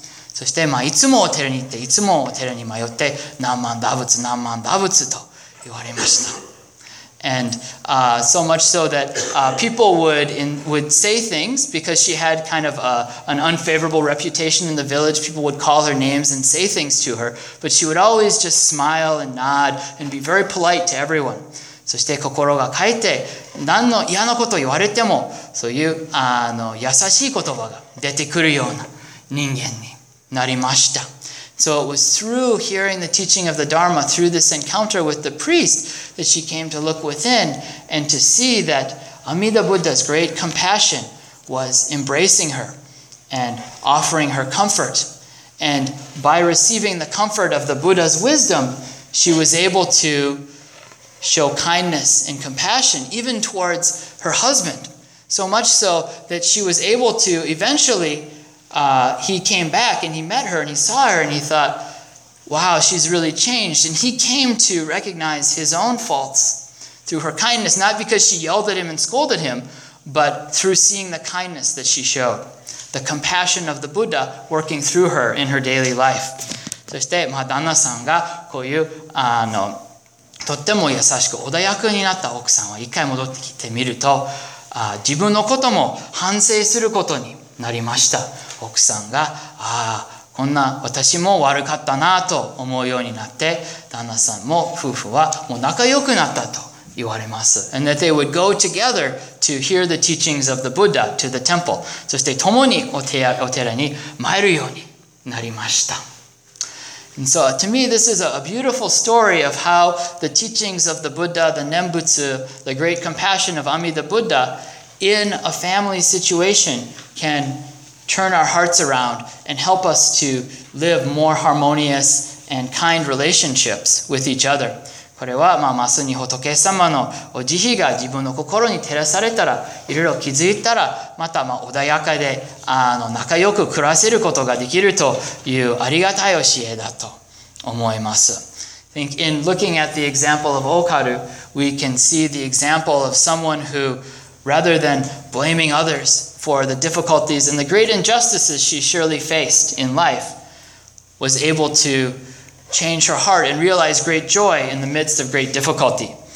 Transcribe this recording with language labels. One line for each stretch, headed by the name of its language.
Japanese: そして、まあ、いつもお寺に行って、いつもお寺に迷って、Namandabutsu, Namandabutsu と言われました。
English: And so much so that people would say things because she had kind of an unfavorable reputation in the village. People would call her names and say things to her. But she would always just smile and nod and be very polite to everyone.
Japanese: そして心が変えて何の嫌なこと言われてもそういう優しい言葉が出てくるような人間になりました。
English: So it was through hearing the teaching of the Dharma, through this encounter with the priest, that she came to look within and to see that Amida Buddha's great compassion was embracing her and offering her comfort. And by receiving the comfort of the Buddha's wisdom, she was able to show kindness and compassion even towards her husband. So much so that she was able to eventually... he came back and he met her and he saw her and he thought, wow, she's really changed. And he came to recognize his own faults through her kindness, not because she yelled at him and scolded him, but through seeing the kindness that she showed, the compassion of the Buddha working through her in her daily life.
Japanese: そして、まあ、旦那さんがこういうとっても優しく穏やかになった奥さんは一回戻ってきてみると、自分のことも反省することになりました。奥さんが、ああ、こんな私も悪かったなと思うようになって、旦那さんも夫婦はもう仲良くなったと言われます。
English: And that they would go together to hear the teachings of the Buddha to the temple.
Japanese: そして共にお寺に参るようになりました。
English: And so to me, this is a beautiful story of how the teachings of the Buddha, the Nembutsu, the great compassion of Amida Buddha in a family situation can... turn our hearts around and help us to live more harmonious and kind relationships with each other.
Japanese: これはまあまさに仏様のお慈悲が自分の心に照らされたら、いろいろ気づいたら、またまあ穏やかで仲良く暮らせることができるというありがたい教えだと思います。
English: I think in looking at the example of Okaru, we can see the example of someone who, rather than blaming others,for the difficulties and the great injustices she surely faced in life, was able to change her heart and realize great joy in the midst of great difficulty.